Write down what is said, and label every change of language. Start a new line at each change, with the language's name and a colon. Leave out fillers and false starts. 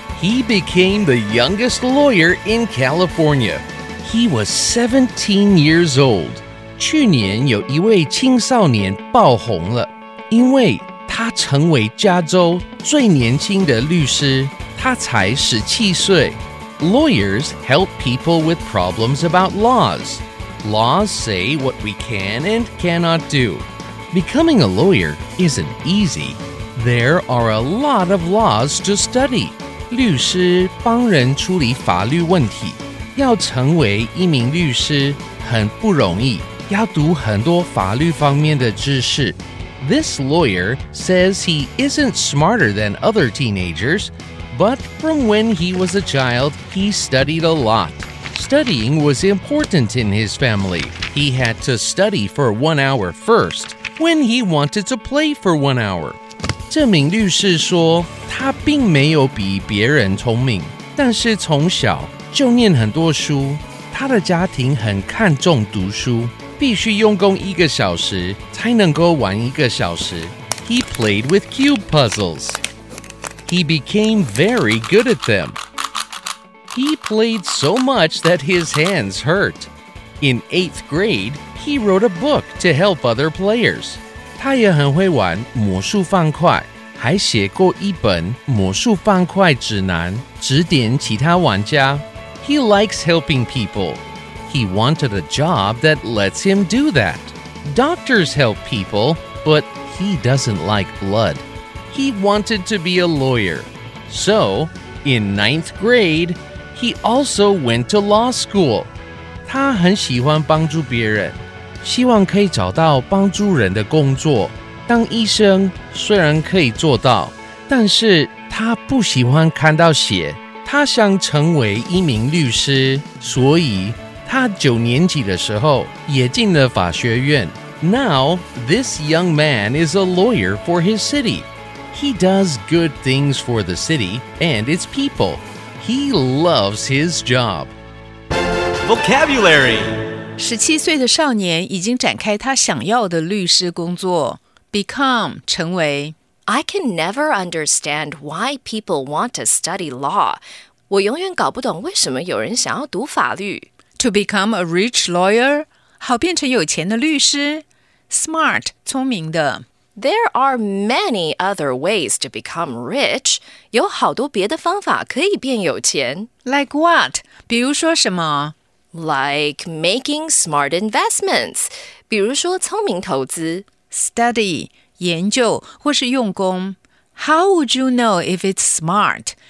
English: He became the youngest lawyer in California. He was 17 years old.
Chinese: 去年有一位青少年爆红了，因为他成为加州最年轻的律师，他才17岁。
English: Lawyers help people with problems about laws. Laws say what we can and cannot do. Becoming a lawyer isn't easy. There are a lot of laws to study.
Chinese: 律师帮人处理法律问题，要成为一名律师很不容易，要读很多法律方面的知识。
English: This lawyer says he isn't smarter than other teenagers, but from when he was a child, he studied a lot. Studying was important in his family. He had to study for 1 hour first, when he wanted to play for 1 hour.
Chinese: 这名律师说，他并没有比别人聪明，但是从小就念很多书，他的家庭很看重读书。必须用功一个小时才能够玩一个小时。
English: He played with cube puzzles. He became very good at them. He played so much that his hands hurt. In 8th grade, he wrote a book to help other players.
Chinese: 他也很会玩魔术方块，还写过一本魔术方块指南，指点其他玩家。
English: He likes helping people. He wanted a job that lets him do that. Doctors help people, but he doesn't like blood. He wanted to be a lawyer. So, in 9th grade, he also went to law school.
Chinese: 他很喜欢帮助别人，希望可以找到帮助人的工作。当医生虽然可以做到，但是他不喜欢看到血。他想成为一名律师，所以他九年级的时候也进了法学院。
English: Now, this young man is a lawyer for his city. He does good things for the city and its people. He loves his job. Vocabulary.
Chinese: 17岁的少年已经展开他想要的律师工作。 Become, 成为。
English: I can never understand why people want to study law.
Chinese: 我永远搞不懂为什么有人想要读法律。
English: To become a rich lawyer,
Chinese: 好变成有钱的律师。 Smart, 聪明的。
English: There are many other ways to become rich.
Chinese: 有好多别的方法可以变有钱。
English: Like what?
Chinese: 比如说什么？
English: Like making smart investments.
Chinese: 比如说聪明投资。
English: Study,
Chinese: 研究或是用功。
English: How would you know if it's smart?